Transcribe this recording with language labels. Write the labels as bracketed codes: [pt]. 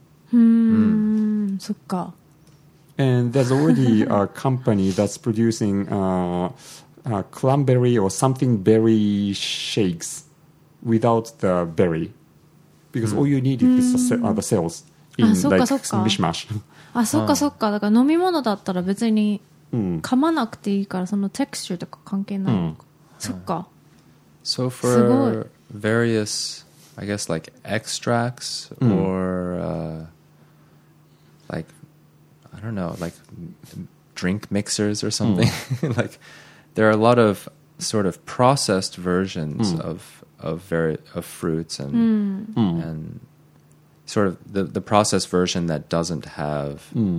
[ja] そっか. [en] And there's already a company that's producing cranberry or something berry shakes without the berry, because all you need is the cells in like mishmash. [ja] あ、そっかそっか. だから飲み物だったら別に噛まなくていいから、そのテクスチャーとか関係ないのか。そっか。 [en] So for various, I guess like extracts or like, I don't know, like drink mixers or something. like there are a lot of sort of processed versions of fruits and and sort of the processed version that doesn't have.